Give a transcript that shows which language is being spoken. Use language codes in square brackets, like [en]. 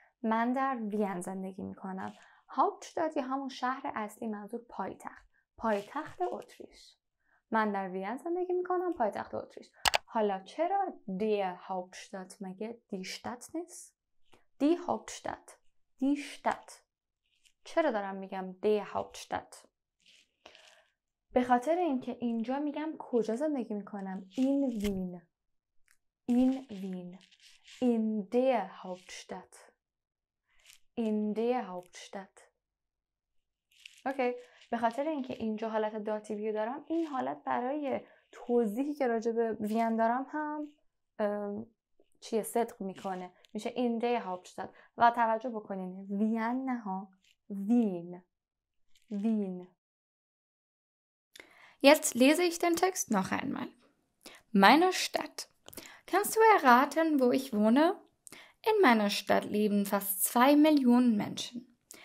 [fa] من در وین زندگی میکنم. هاپتشتات یا همون شهر اصلی، منظور پایتخت. پایتخت اتریش. من در وین زندگی میکنم، پایتخت اتریش. حالا چرا دی هاپتشتات مگه دی شتات نیست؟ دی هاپتشتات. دی شتات. چرا دارم میگم دی هاپتشتات؟ به خاطر اینکه اینجا میگم کجا زندگی میکنم. این وین. این وین. این دی هاپتشتات. [de] In der Hauptstadt. اوکی. [fa] به خاطر اینکه اینجا حالت داتیویو دارم، این حالت برای توضیحی که راجع به وین دارم هم چیه صدق میکنه. میشه [de] in der Hauptstadt. [fa] و توجه بکنین. وین نه ها. وین. وین. [de] Jetzt lese ich den Text noch einmal. Meine Stadt. Kannst du erraten, wo ich wohne? In meiner Stadt leben fast 2 Millionen Menschen.